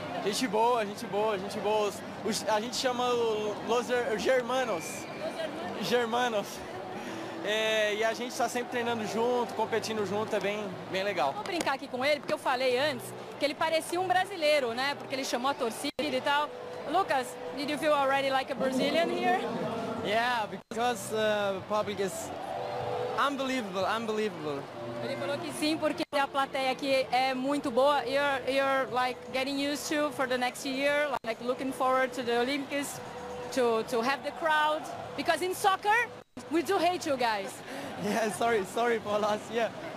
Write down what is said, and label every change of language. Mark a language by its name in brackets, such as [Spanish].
[Portuguese] Gente boa, gente boa, gente boa. A gente chama Los Germanos. Germanos. É, e a gente está sempre treinando junto, competindo junto, é bem legal. Vou brincar aqui com ele, porque eu falei antes que ele parecia um brasileiro, né? Porque ele chamou a torcida e tal. [English] Lucas, did you feel already like a Brazilian here? Yeah, because the public is unbelievable, unbelievable. [Portuguese] Ele falou que sim, porque a plateia aqui é muito boa. [English] You're like getting used to for the next year, like looking forward to the Olympics, to have the crowd, because in soccer, we do hate you guys. Yeah, sorry for last year.